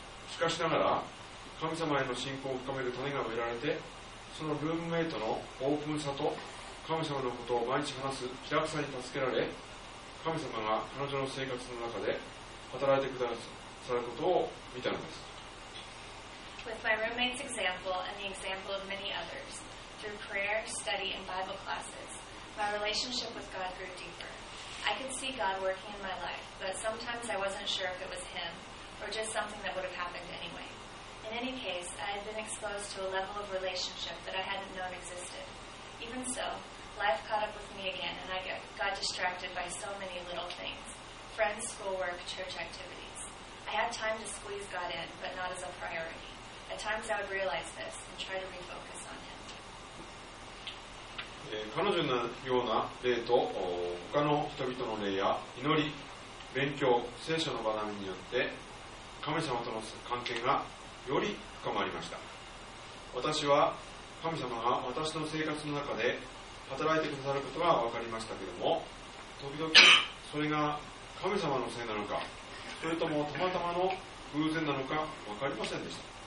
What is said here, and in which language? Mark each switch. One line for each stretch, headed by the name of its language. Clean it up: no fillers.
Japanese: しかしながら神様への信仰を深める種が植えられて、そのルームメイトのオープンさと神様のことを毎日話す気楽さに助けられ、神様が彼女の生活の中で働いてくださることを見たのです。
English: With my roommate's example and the example of many others, through prayer, study, and Bible classes, my relationship with God grew deeper. I could see God working in my life, but sometimes I wasn't sure if it was Him or just something that would have happened anyway. In any case, I had been exposed to a level of relationship that I hadn't known existed. Even so, life caught up with me again, and I got distracted by so many little things. Friends, schoolwork, church activities. I had time to squeeze God in, but not as a priority. At times I would realize this and try to refocus on Him.
Japanese: 彼女のような例と他の人々の例や祈り、勉強、聖書の学びによって神様との関係がより深まりました。私は神様が私の生活の中で働いてくださることが分かりましたけれども、時々それが神様のせいなのか、それともたまたまの偶然なのか分かりませんでした。